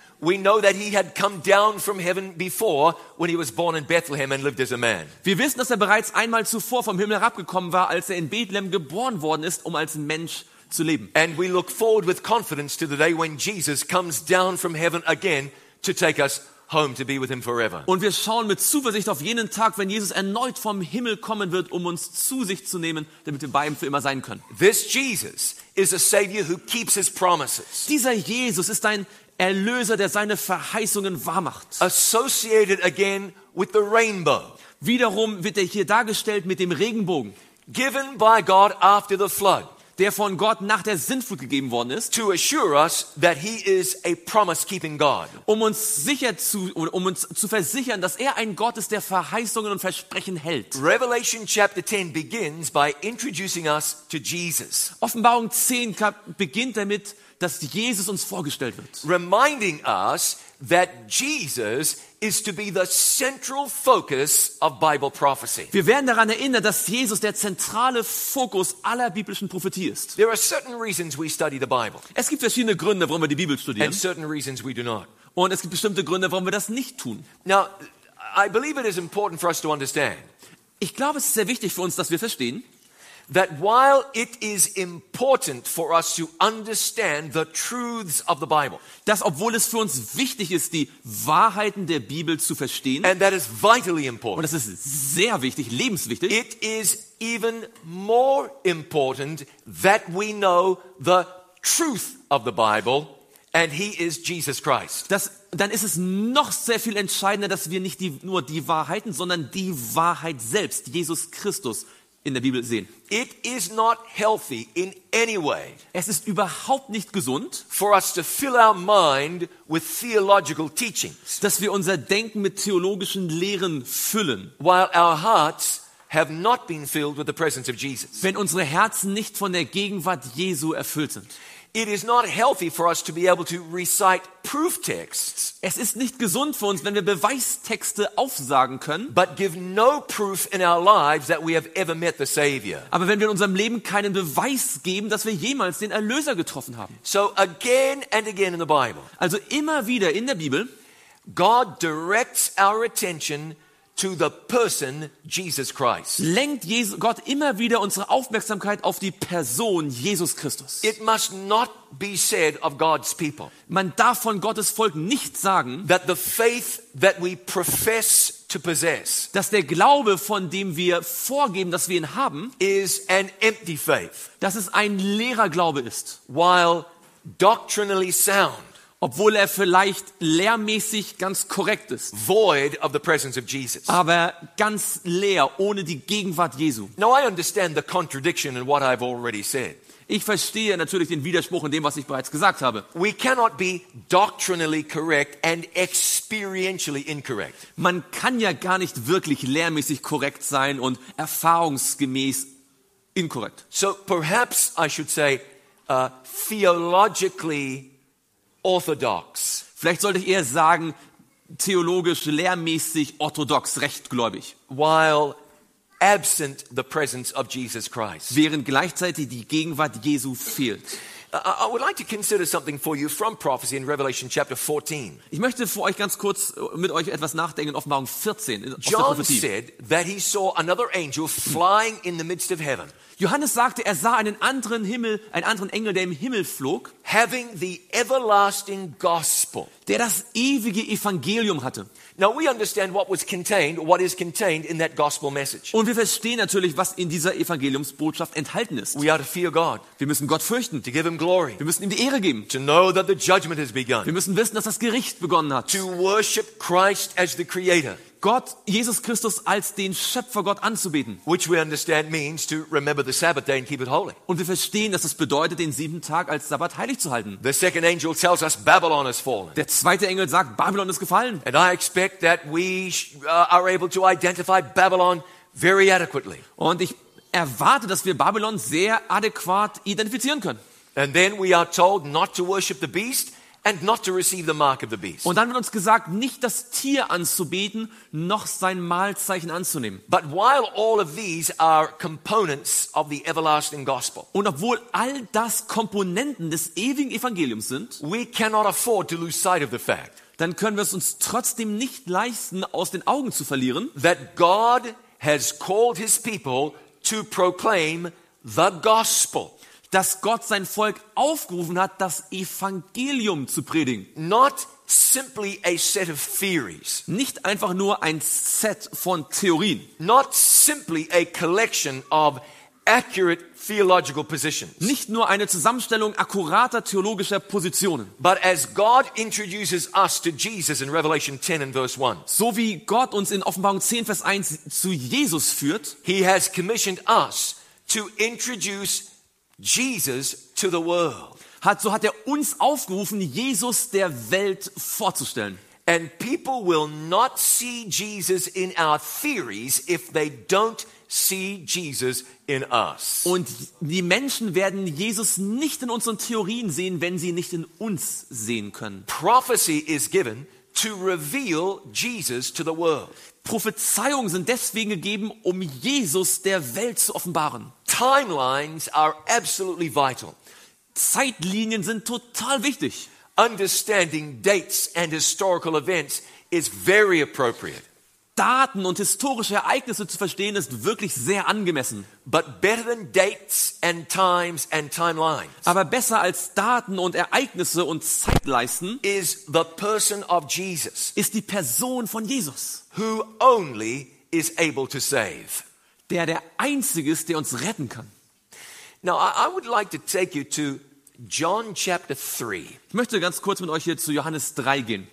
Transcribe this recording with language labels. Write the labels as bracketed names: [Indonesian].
[English] We know that he had come down from heaven before when he was born in Bethlehem and lived as a man. [German] Wir wissen, dass er bereits einmal zuvor vom Himmel herabgekommen war, als er in Bethlehem geboren worden ist, um als Mensch zu leben. [English] And we look forward with confidence to the day when Jesus comes down from heaven again to take us home to be with him forever. [German] Und wir schauen mit Zuversicht auf jenen Tag, wenn Jesus erneut vom Himmel kommen wird, um uns zu sich zu nehmen, damit wir bei ihm für immer sein können. [English] This Jesus is a savior who keeps his promises. [German] Dieser Jesus ist ein Erlöser, der seine Verheißungen wahrmacht. [English] Associated again with the rainbow. [German] Wiederum wird er hier dargestellt mit dem Regenbogen. [English] Given by God after the flood. [German] Der von Gott nach der Sintflut gegeben worden ist. [English] To assure us that he is a promise-keeping God. [German] Um uns zu versichern, dass er ein Gott ist, der Verheißungen und Versprechen hält. [English] Revelation chapter 10 begins by introducing us to Jesus. [German] Offenbarung 10 beginnt damit, dass Jesus uns vorgestellt wird. [English] Reminding us that Jesus is to be the central focus of Bible prophecy. [German] Wir werden daran erinnert, dass Jesus der zentrale Fokus aller biblischen Prophetie ist. [English] There are certain reasons we study the Bible. [German] Es gibt verschiedene Gründe, warum wir die Bibel studieren. [English] And certain reasons we do not. [German] Und es gibt bestimmte Gründe, warum wir das nicht tun. [English] Now, I believe it is important for us to understand. [German] Ich glaube, es ist sehr wichtig für uns, dass wir verstehen, [English] that while it is important for us to understand the truths of the Bible, [German] dass obwohl es für uns wichtig ist, die Wahrheiten der Bibel zu verstehen, [English] and that is vitally important, [German] und das ist sehr wichtig, lebenswichtig, [English] it is even more important that we know the truth of the Bible, and he is Jesus Christ. [German] Dann ist es noch sehr viel entscheidender, dass wir nicht nur die Wahrheiten, sondern die Wahrheit selbst, Jesus Christus, in der Bibel sehen. [English] It is not healthy in any way. [German] Es ist überhaupt nicht gesund, [English] for us to fill our mind with theological teachings, [German] dass wir unser Denken mit theologischen Lehren füllen, [English] while our hearts have not been filled with the presence of Jesus. [German] Wenn unsere Herzen nicht von der Gegenwart Jesu erfüllt sind. [English] It is not healthy for us to be able to recite proof texts. [German] Es ist nicht gesund für uns, wenn wir Beweistexte aufsagen können. [English] But give no proof in our lives that we have ever met the Savior. [German] Aber wenn wir in unserem Leben keinen Beweis geben, dass wir jemals den Erlöser getroffen haben. [English] So again and again in the Bible. [German] Also immer wieder in der Bibel. [English] God directs our attention to the person Jesus Christ. [German] Lenkt Gott immer wieder unsere Aufmerksamkeit auf die Person Jesus Christus. [English] It must not be said of God's people. [German] Man darf von Gottes Volk nicht sagen, [English] that the faith that we profess to possess, [German] dass der Glaube, von dem wir vorgeben, dass wir ihn haben, [English] is an empty faith. [German] Dass es ein leerer Glaube ist. [English] While doctrinally sound, [German] obwohl er vielleicht lehrmäßig ganz korrekt ist. [English] Void of the presence of Jesus. [German] Aber ganz leer, ohne die Gegenwart Jesu. [English] Now I understand the contradiction in what I've already said. [German] Ich verstehe natürlich den Widerspruch in dem, was ich bereits gesagt habe. [English] We cannot be doctrinally correct and experientially incorrect. [German] Man kann ja gar nicht wirklich lehrmäßig korrekt sein und erfahrungsgemäß inkorrekt. [English] So perhaps I should say theologically orthodox. [German] Vielleicht sollte ich eher sagen, theologisch lehrmäßig orthodox, rechtgläubig. [English] While absent the presence of Jesus Christ. [German] Während gleichzeitig die Gegenwart Jesu fehlt. [English] I would like to consider something for you from prophecy in Revelation chapter 14. [German] Ich möchte vor euch ganz kurz mit euch etwas nachdenken in Offenbarung 14. [English] John said that he saw another angel flying in the midst of heaven. [German] Johannes sagte, er sah einen anderen Himmel, einen anderen Engel, der im Himmel flog, [English] having the everlasting gospel, [German] der das ewige Evangelium hatte. [English] Now we understand what was contained, what is contained in that gospel message. [German] Und wir verstehen natürlich, was in dieser Evangeliumsbotschaft enthalten ist. [English] We are to fear God. [German] Wir müssen Gott fürchten. [English] To give him glory. [German] Wir müssen ihm die Ehre geben. [English] To know that the judgment has begun. [German] Wir müssen wissen, dass das Gericht begonnen hat. [English] To worship Christ as the Creator. [German] Gott, Jesus Christus als den Schöpfer Gott anzubeten. [English] Which we understand means to remember the Sabbath day and keep it holy. [German] Und wir verstehen, dass es bedeutet, den siebten Tag als Sabbat heilig zu halten. [English] The second angel tells us Babylon has fallen. [German] Der zweite Engel sagt, Babylon ist gefallen. [English] And I expect that we are able to identify Babylon very adequately. [German] Und ich erwarte, dass wir Babylon sehr adäquat identifizieren können. [English] And then we are told not to worship the beast. And not to receive the mark of the beast. [German] Und dann wird uns gesagt, nicht das Tier anzubeten, noch sein Malzeichen anzunehmen. [English] But while all of these are components of the everlasting gospel, [German] und obwohl all das Komponenten des ewigen Evangeliums sind, [English] we cannot afford to lose sight of the fact, [German] dann können wir es uns trotzdem nicht leisten, aus den Augen zu verlieren, [English] that God has called his people to proclaim the gospel. [German] Dass Gott sein Volk aufgerufen hat, das Evangelium zu predigen. [English] Not simply a set of theories. [German] Nicht einfach nur ein Set von Theorien. [English] Not simply a collection of accurate theological positions. [German] Nicht nur eine Zusammenstellung akkurater theologischer Positionen. [English] But as God introduces us to Jesus in Revelation 10 and verse 1. [German] So wie Gott uns in Offenbarung 10 Vers 1 zu Jesus führt, [English] he has commissioned us to introduce Jesus to the world. [German] So hat er uns aufgerufen, Jesus der Welt vorzustellen. [English] And people will not see Jesus in our theories if they don't see Jesus in us. [German] Und die Menschen werden Jesus nicht in unseren Theorien sehen, wenn sie nicht in uns sehen können. [English] Prophecy is given to reveal Jesus to the world. [German] Prophezeiungen sind deswegen gegeben, um Jesus der Welt zu offenbaren. [English] Timelines are absolutely vital. [German] Zeitlinien sind total wichtig. [English] Understanding dates and historical events is very appropriate. [German] Daten und historische Ereignisse zu verstehen ist wirklich sehr angemessen. [English] But better than dates and times and timelines. [German] Aber besser als Daten und Ereignisse und Zeitleisten [English] is the person of Jesus. [German] Ist die Person von Jesus. [English] Who only is able to save. [German] Der einzige ist, der uns retten kann. [English] Now I would like to take you to John chapter 3. [German] Ich möchte ganz kurz mit euch hier zu Johannes 3 gehen.